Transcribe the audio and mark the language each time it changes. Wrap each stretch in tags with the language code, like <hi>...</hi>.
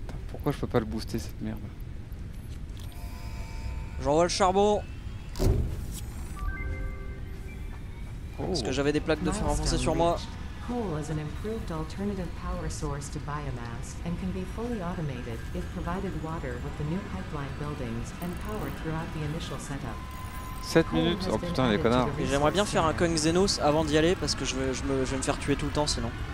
<fr>Pourquoi je peux pas le booster cette merde? J'envoie le charbon. Oh. Parce que j'avais des plaques de fer renforcées sur moi.</fr> <en>Coal is an improved alternative power source to biomass and can be fully automated if provided water with the new pipeline buildings and power throughout the initial setup. 7 minutes.</en> <fr>Oh putain, les connards. Et j'aimerais bien faire un Kong Xenos avant d'y aller parce que je vais me faire tuer tout le temps sinon.</fr>